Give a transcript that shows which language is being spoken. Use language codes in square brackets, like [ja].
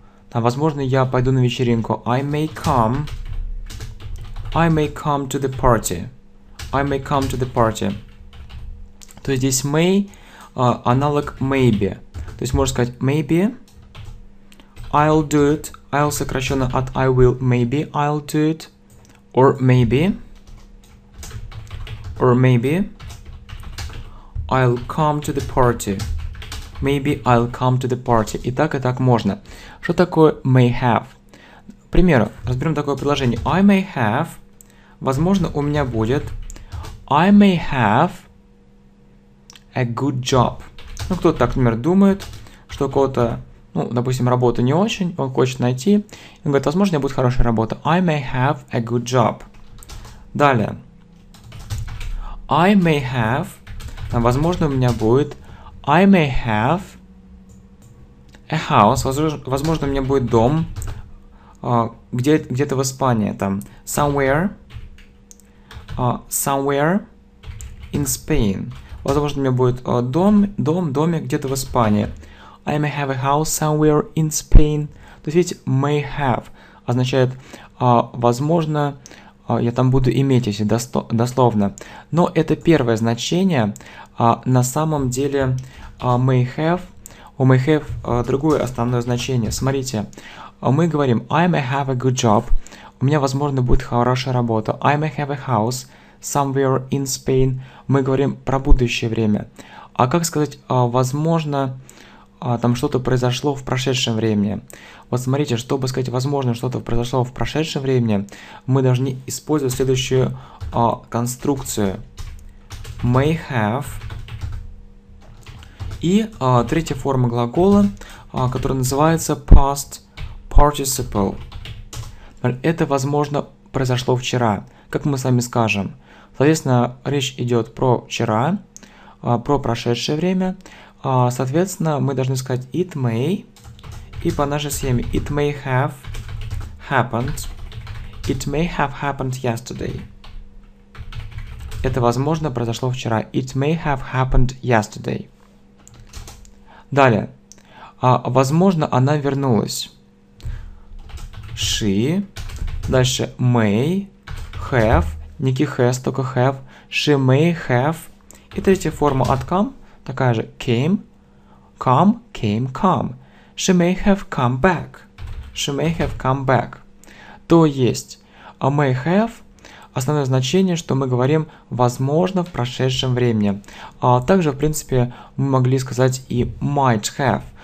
[ru] Там, возможно, я пойду на вечеринку. [en] I may come. I may come to the party. I may come to the party. [ru] То есть здесь may аналог maybe. То есть можно сказать maybe. [en] I'll do it. I'll [ru] сокращенно от [en] I will. Maybe I'll do it. Or maybe. Or maybe. I'll come to the party. Maybe I'll come to the party. [ru] И так можно. Что такое may have? К примеру, разберем такое предложение. [en] I may have. [ru] Возможно, у меня будет. [en] I may have a good job. [ru] Ну, кто-то так, например, думает, что кого-то, ну, допустим, работа не очень, он хочет найти. Он говорит, возможно, у меня будет хорошая работа. [en] I may have a good job. [ru] Далее. [en] I may have, [ru] там, возможно, у меня будет. [en] I may have a house. [ru] Возможно, у меня будет дом где-то в Испании, там, somewhere. [en] Somewhere in Spain. [ru] Возможно, у меня будет домик где-то в Испании. [en] I may have a house somewhere in Spain. [ru] То есть, видите, [en] may have [ru] означает, возможно, я там буду иметь, если дословно. Но это первое значение. На самом деле, [en] may have, [ru] у may have другое основное значение. Смотрите, мы говорим, [en] I may have a good job. [ru] У меня, возможно, будет хорошая работа. [en] I may have a house somewhere in Spain. [ru] Мы говорим про будущее время. А как сказать, возможно, там что-то произошло в прошедшем времени? Вот смотрите, чтобы сказать, возможно, что-то произошло в прошедшем времени, мы должны использовать следующую конструкцию. [en] May have. [ru] И третья форма глагола, которая называется past participle. Это, возможно, произошло вчера, как мы с вами скажем. Соответственно, речь идет про вчера, про прошедшее время. Соответственно, мы должны сказать it may, и по нашей схеме [en] it may have happened. It may have happened yesterday. [ru] Это, возможно, произошло вчера. [en] It may have happened yesterday. [ru] Далее. Возможно, она вернулась. [en] She. [ru] Дальше, [en] may, have, [ru] никаких [en] has, [ru] только [en] have, she may have. [ru] И третья форма от come, такая же, [en] came, come, came, come. She may have come back, she may have come back. [ru] То есть, [en] a may have, [ru] основное значение, что мы говорим, возможно, в прошедшем времени. А также, в принципе, мы могли сказать и [en] might have.